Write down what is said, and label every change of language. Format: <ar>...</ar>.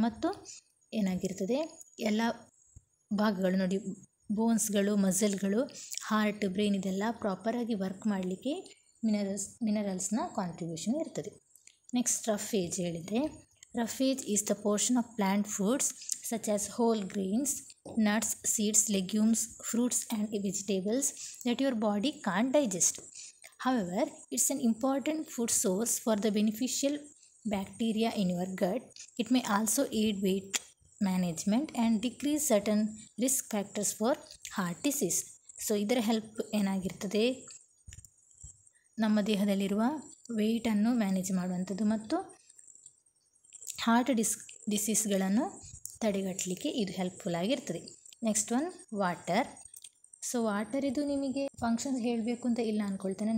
<kn>ಮತ್ತು ಏನಾಗಿರ್ತದೆ, ಎಲ್ಲ ಭಾಗಗಳು ನೋಡಿ, ಬೋನ್ಸ್ಗಳು, ಮಸಲ್ಗಳು, ಹಾರ್ಟ್, ಬ್ರೈನ್, ಇದೆಲ್ಲ ಪ್ರಾಪರಾಗಿ ವರ್ಕ್ ಮಾಡಲಿಕ್ಕೆ ಮಿನರಲ್ಸ್ನ ಕಾಂಟ್ರಿಬ್ಯೂಷನ್ ಇರ್ತದೆ.</kn> <en>Next roughage ಹೇಳಿದರೆ, roughage is the portion of plant foods such as whole greens, nuts, seeds, legumes, fruits and vegetables that your body can't digest. However, it's an important food source for the beneficial bacteria in your gut. It may also aid weight management and decrease certain risk factors for heart disease.</en> <kn>So, ಇದರ help ಏನಾಗಿರ್ತದೆ, ನಮ್ಮ ದೇಹದಲ್ಲಿರುವ ವೆಯ್ಟನ್ನು manage ಮಾಡುವಂಥದ್ದು ಮತ್ತು heart ಡಿಸೀಸ್ಗಳನ್ನು ತಡೆಗಟ್ಟಲಿಕ್ಕೆ ಇದು helpful ಆಗಿರ್ತದೆ. Next one water. So water ಇದು ನಿಮಗೆ functions ಹೇಳಬೇಕು ಅಂತ ಇಲ್ಲ ಅಂದ್ಕೊಳ್ತೇನೆ.</kn>